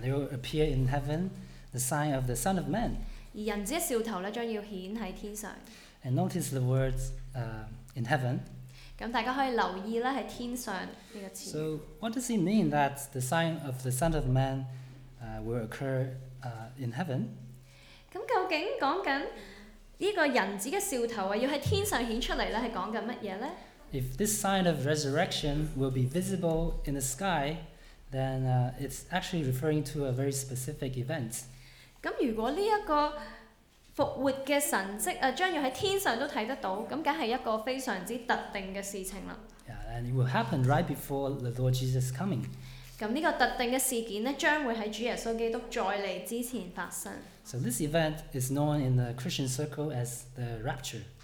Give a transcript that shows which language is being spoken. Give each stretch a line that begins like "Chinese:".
English: there will appear in heaven the sign of the Son of Man.
Chinese: 而人子的兆头将要显在天上。
English: And notice the words in heaven.
Chinese: 大家可以留意在天上这个词。
English: So what does it mean that the sign of the Son of Man will occur in heaven?
Chinese: 究竟说这个人子的兆头要在天上显出来是说什么呢?
English: If this sign of resurrection will be visible in the sky, then it's actually referring to a very specific event.
Chinese: 如果这个 復活的神跡,將要在天上都看得到,那當然是一個非常之特定的事情了。
English: And it will happen right before the Lord Jesus coming.
Chinese: 這個特定的事件將會在主耶穌基督再來之前發生。
English: So this event is known in the Christian circle as the rapture.